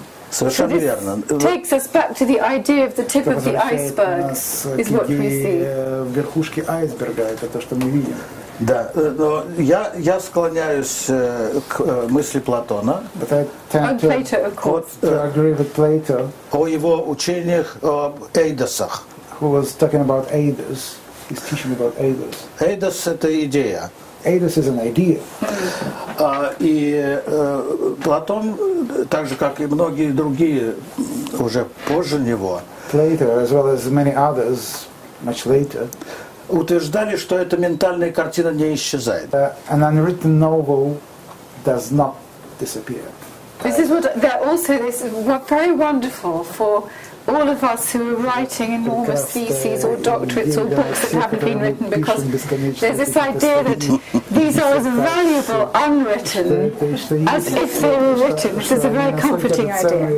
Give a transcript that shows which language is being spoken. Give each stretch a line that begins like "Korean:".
Russian: Совершенно
English: so this
Russian: верно.
English: Takes us back to the idea of the tip of the iceberg is what we see.
Russian: Верхушки айсберга, это то, что мы видим. Да, но я склоняюсь к мысли Платона.
English: Plato,
Russian: о его учениях об эйдосах.
English: Who was talking about эйдос? He's teaching about эйдос.
Russian: Эйдос – это идея. Эйдос – это идея. И Платон, так же как и многие другие уже позже него.
English: Plato, as well as many others, much later.
Russian: Утверждали, что эта ментальная картина не исчезает.
English: An unwritten novel does not disappear. This is what they're also this were very wonderful for all of us who are writing enormous theses or doctorates or books that haven't been written because there's this idea that these are as valuable unwritten as if they were written, which is a very comforting idea.